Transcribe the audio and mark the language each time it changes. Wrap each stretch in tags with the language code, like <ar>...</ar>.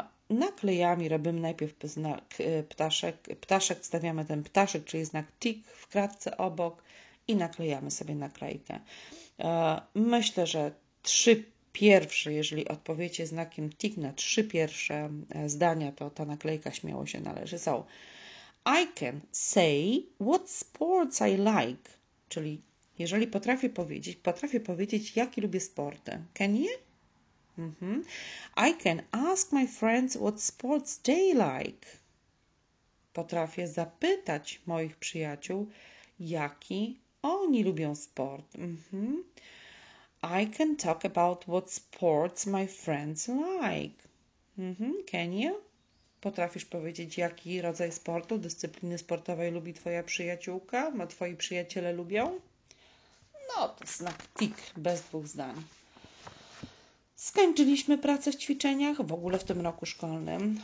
<pl>Naklejami robimy najpierw znak ptaszek. Ptaszek, wstawiamy ten ptaszek, czyli znak tick w kratce obok i naklejamy sobie naklejkę. Myślę, że trzy pierwsze, jeżeli odpowiecie znakiem tick na trzy pierwsze zdania, to ta naklejka śmiało się należy.</pl> <en>So, I can say what sports I like.</en> <pl>Czyli jeżeli potrafię powiedzieć, jakie lubię sporty.</pl> <en>Can you? I can ask my friends what sports they like.</en> <pl>Potrafię zapytać moich przyjaciół, jaki oni lubią sport.</pl> <en>I can talk about what sports my friends like. Can you?</en> <pl>Potrafisz powiedzieć, jaki rodzaj sportu, dyscypliny sportowej lubi twoja przyjaciółka, ma twoi przyjaciele lubią? No, to znak tick, bez dwóch zdań. Skończyliśmy pracę w ćwiczeniach, w ogóle w tym roku szkolnym.</pl>